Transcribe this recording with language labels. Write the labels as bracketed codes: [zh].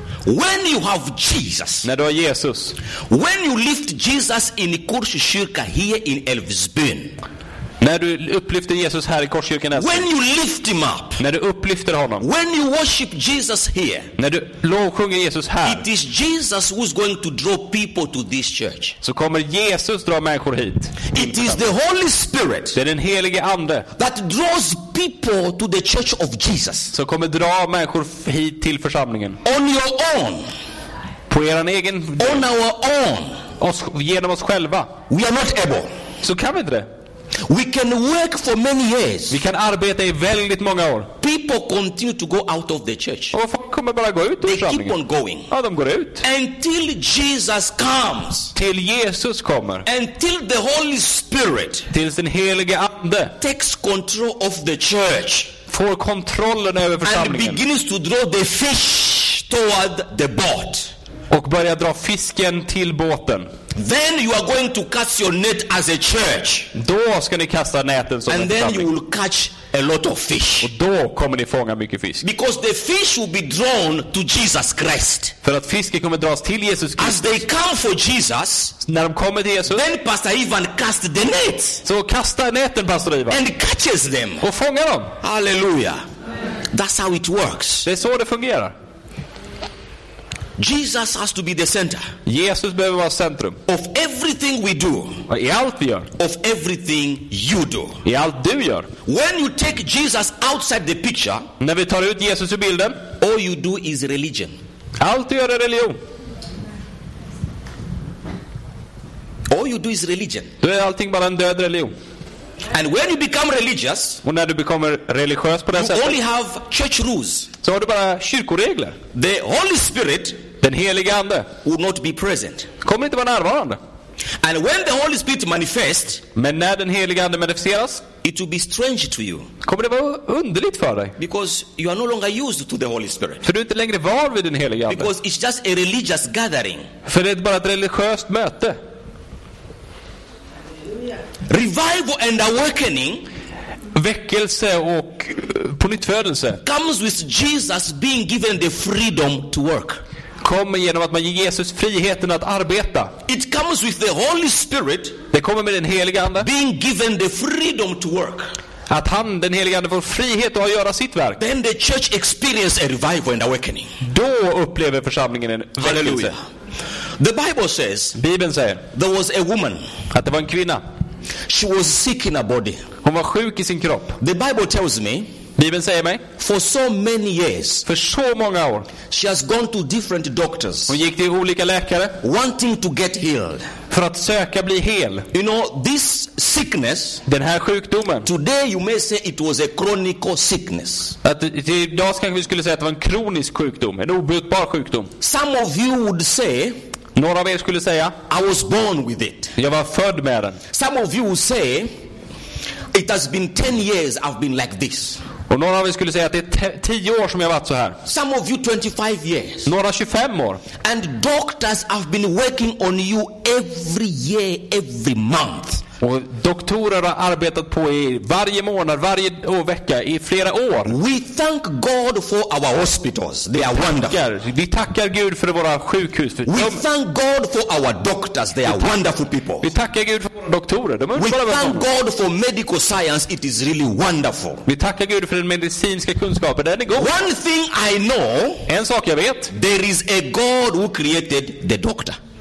[en] When you have Jesus, [sv] när du har Jesus, [en] when you lift Jesus in Korskyrka here in Elvsbyn, [sv] när du upplyfter Jesus här i Korskyrkan Elvsbyn, [en] when you lift him up, [sv] när du upplyfter honom, [en] when you worship Jesus here, [sv] när du lovsjunger Jesus här, [en] it is Jesus who is going to draw people to this church. [sv] Så kommer Jesus dra människor hit. [en] It is the Holy Spirit. [sv] Det är den helige ande [en] that draws people to the church of Jesus. [sv] Så kommer dra människor hit till församlingen. [en] On your own. [sv] På eran egen. [en] On our own. [sv] Oss, genom oss själva. [en] We are not able. [sv] Så kan vi inte det. [en] We can work for many years. [sv] Vi kan arbeta i väldigt många år. [en] People continue to go out of the church. [sv] Och folk kommer bara gå ut ur församlingen. [en] They keep on going. [sv] Ja, de går ut. [en] Until Jesus comes. [sv] Till Jesus kommer. [en] Until the Holy Spirit. [sv] Tills den helige ande. [en] Takes control of the church. [sv] Får kontrollen över församlingen. [en] And begins to draw the fish toward the boat. [sv] Och börjar dra fisken till båten. [en] Then you are going to cast your net as a church. [sv] Då ska ni kasta näten som [en] and then you will catch a lot of fish. [sv] Och då kommer ni fånga mycket fisk. [en] Because the fish will be drawn to Jesus Christ. [sv] För att fisken kommer dras till Jesus Kristus. [en] As they come for Jesus, [sv] när de kommer till Jesus, [en] then Pastor Ivan cast the net. [sv] Så kasta näten, Pastor Ivan. [en] And catches them. [sv] Och fångar dem. [en] Hallelujah. That's how it works. [sv] Det är så det fungerar. [en] Jesus has to be the center. [sv] Jesus behöver vara centrum. [en] Of everything we do. [sv] I allt vi gör. [en] Of everything you do. [sv] I allt du gör. [en] When you take Jesus outside the picture. [sv] När vi tar ut Jesus ur bilden. [en] All you do is religion. [sv] Allt du gör är religion. [en] All you do is religion. [sv] Du är allting bara en död religion. [en] And when you become religious. [sv] Och när du blir religiös på det [en] you [sv] sättet. [en] You only have church rules. [sv] Så har du bara kyrkoregler. [en] The Holy Spirit, [sv] den helige ande, [en] will not be present. [sv] Kommer inte vara närvarande. [en] And when the Holy Spirit manifests, [sv] men när den helige ande manifesteras, [en] it will be strange to you. [sv] Kommer det vara underligt för dig? [en] Because you are no longer used to the Holy Spirit. [sv] För du är inte längre var vid den helige ande. [en] Because it's just a religious gathering. [sv] För det är bara ett religiöst möte. [en] Revival and awakening. [sv] Väckelse och pånyttfödelse [en] comes with Jesus being given the freedom to work. [sv] Kommer genom att man ger Jesus friheten att arbeta. [en] It comes with the Holy Spirit. [sv] Det kommer med den helige ande. [en] Being given the freedom to work. [sv] Att han, den helige ande, får frihet att göra sitt verk. [en] Then the church experiences a revival and awakening. [sv] Då upplever församlingen en väckelse. [en] Halleluja. The Bible says. [sv] Bibeln säger. [en] There was a woman. [sv] Att det var en kvinna. [en] She was sick in her body. [sv] Hon var sjuk i sin kropp. [en] The Bible tells me. [sv] Bibeln säger mig. [en] For so many years. [sv] För så många år. [en] She has gone to different doctors. [sv] Hon gick till olika läkare. [en] Wanting to get healed. [sv] För att söka bli hel. [en] You know this sickness. [sv] Den här sjukdomen. [en] Today you may say it was a chronic sickness. [sv] Att idag kanske vi skulle säga att det var en kronisk sjukdom, en obotbar sjukdom. [en] Some of you would say. [sv] Några av er skulle säga. [en] I was born with it. [sv] Jag var född med den. [en] Some of you would say. It has been 10 years I've been like this. [sv] Och några av er skulle säga att det är 10 år som jag har varit så här. [en] Some of you 25 years. [sv] Några 25 år. [en] And doctors have been working on you every year, every month. [sv] Och doktorer har arbetat på er varje månad, varje vecka i flera år. [en] We thank God for our hospitals. They are wonderful. [sv] Vi tackar Gud för våra sjukhus. [en] We thank God for our doctors. They are wonderful people. [sv] Vi tackar Gud för doktorer. De är [en] we thank God for medical science. It is really wonderful. [sv] Vi tackar Gud för den medicinska kunskapen. Den är god. [en] One thing I know. [sv] En sak jag vet. [en] There is a God who created the doctor.